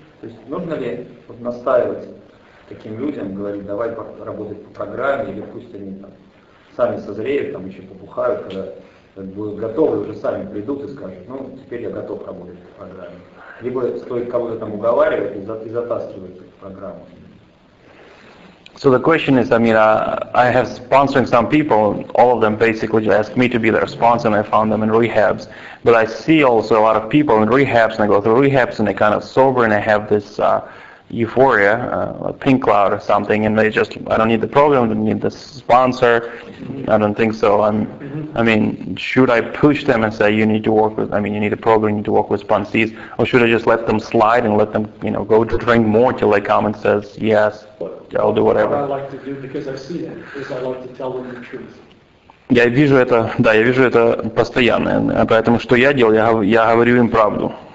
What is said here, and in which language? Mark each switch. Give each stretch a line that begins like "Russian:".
Russian: То есть нужно ли вот настаивать таким людям, говорить, давай работать по программе, или пусть они там сами созреют, там еще попухают, когда будут готовы, уже сами придут и скажут, ну, теперь я готов работать в программе. Либо стоит кого-то там уговаривать и затаскивать в программу.
English: So the question is, I mean, I have sponsoring some people, all of them basically ask me to be their sponsor, and I found them in rehabs. But I see also a lot of people in rehabs, and I go through rehabs, and they kind of sober, and I have this euphoria, a pink cloud or something, and they just, I don't need the program, I don't need the sponsor, I don't think so. And I mean, should I push them and say, you need to work with, I mean, you need a program, you need to work with sponsees, or should I just let them slide and let them, you know, go to drink more till they come and says, yes, I'll do whatever. What I like to do, because I see it, is I like to tell them the truth.
Russian: Я вижу это, да, я вижу это постоянно, поэтому что я делал, я говорю им правду.